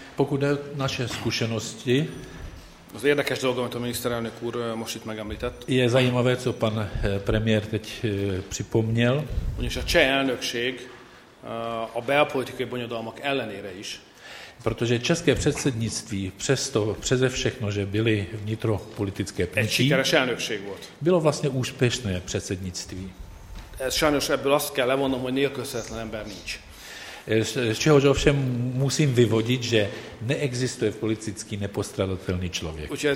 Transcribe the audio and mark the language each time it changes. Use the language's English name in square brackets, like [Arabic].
[Czech] pokud jde naše zkušenosti, [Hungarian] az érdekes dolog, amit a miniszterelnök úr most itt megemlített. [Czech] Je zajímavé, co pan premiér teď připomněl. [Hungarian] Ugyanis a cseh elnökség a belpolitikai bonyodalmak ellenére is. [Czech] Protože české předsednictví přesto, přeze všechno, že byly vnitropolitické pnutí, [Hungarian] sikeres elnökség volt. [Czech] Bylo vlastně úspěšné předsednictví. [Hungarian] Ez sajnos ebből azt kell levonnom, hogy nélkülözhetetlen ember nincs. [Czech] Z čehož ovšem musím vyvodit, že neexistuje politický nepostradatelný člověk.